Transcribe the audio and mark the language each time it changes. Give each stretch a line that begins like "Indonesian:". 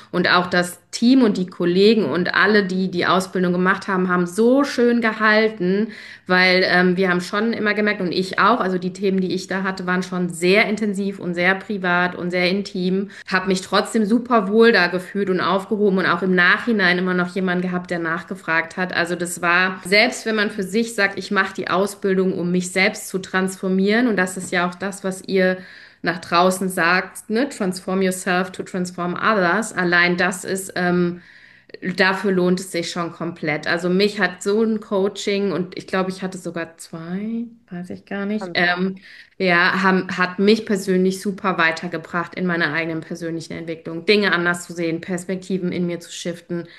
German: Und auch das Team und die Kollegen und alle, die die Ausbildung gemacht haben, haben so schön gehalten, weil wir haben schon immer gemerkt, und ich auch, also die Themen, die ich da hatte, waren schon sehr intensiv und sehr privat und sehr intim. Habe mich trotzdem super wohl da gefühlt und aufgehoben und auch im Nachhinein immer noch jemanden gehabt, der nachgefragt hat. Also das war, selbst wenn man für sich sagt, ich mache die Ausbildung, um mich selbst zu transformieren, und das ist ja auch das, was ihr nach draußen sagt, ne?
English: Transform yourself to transform others.
German: Allein das ist, dafür lohnt es sich schon komplett. Also mich hat so ein Coaching, und ich glaube, ich hatte sogar zwei, weiß ich gar nicht, Kann sein. ja, hat mich persönlich super weitergebracht in meiner eigenen persönlichen Entwicklung, Dinge anders zu sehen, Perspektiven in mir zu shiften.